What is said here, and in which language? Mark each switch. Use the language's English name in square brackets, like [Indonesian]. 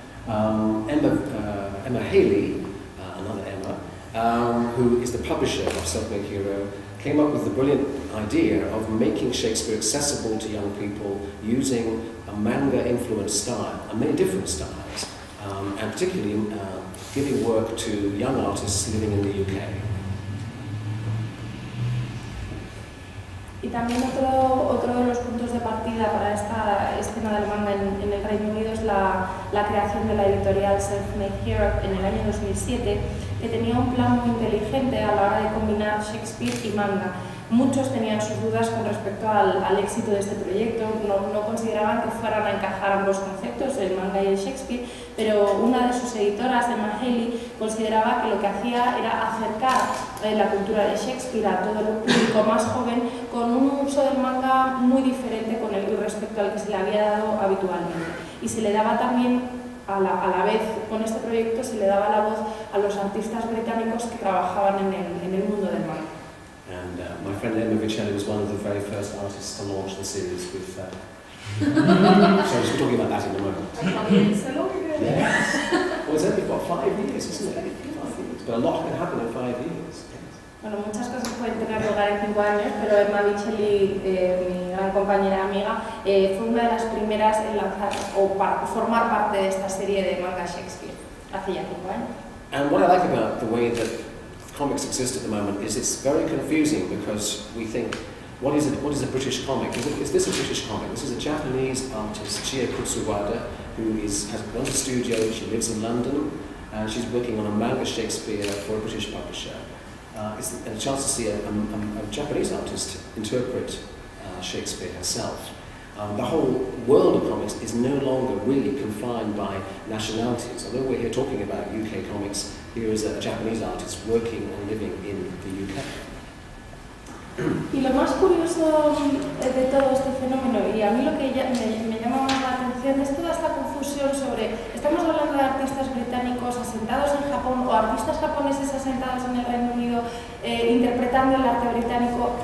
[English] Emma Haley, another Emma, who is the publisher of Self-Made Hero, came up with the brilliant idea of making Shakespeare accessible to young people using a manga-influenced style, and many different styles, and particularly giving work to young artists living in the UK. [Spanish] Y también otro de los puntos de partida para esta escena del manga en el Reino Unido es la creación de la editorial Self-Made Europe en el año 2007, que tenía un plan muy inteligente a la hora de combinar Shakespeare y manga. Muchos tenían sus dudas con respecto al éxito de este proyecto, no consideraban que fueran a encajar ambos conceptos, el manga y el Shakespeare, pero una de sus editoras, Emma Haley, consideraba que lo que hacía era acercar la cultura de Shakespeare a todo el público más joven con un uso del manga muy diferente con el respecto al que se le había dado habitualmente. Y se le daba también, a la vez con este proyecto, se le daba la voz a los artistas británicos que trabajaban en el mundo del manga. [English] And my friend Emma Vicelli was one of the very first artists to launch the series with that. So we'll be talking about that in a moment. It's so long ago. Yes. Well, it's only about 5 years, isn't it? 5 years. But a lot can happen in 5 years. [Spanish] Bueno, muchas cosas pueden tener lugar en 5 años, pero Emma Vicelli, mi gran compañera y amiga, fue una de las primeras en lanzar o para formar parte de esta serie de manga Shakespeare hace ya 5 años. [English] And what I like about the way that comics exist at the moment is it's very confusing because we think, what is it? What is a British comic? Is this a British comic? This is a Japanese artist, Chie Kutsuwada, who has built a studio. She lives in London, and she's working on a manga Shakespeare for a British publisher. It's a chance to see a Japanese artist interpret Shakespeare herself. The whole world of comics is no longer really confined by nationalities. Although we're here talking about UK comics, here is a Japanese artist working and living in the UK. [Spanish] Y lo más curioso de todo este fenómeno, y a mí lo que me llama más la atención, es toda esta confusión sobre, estamos hablando de artistas británicos asentados en Japón o artistas japoneses asentados en el Reino Unido interpretando el arte británico.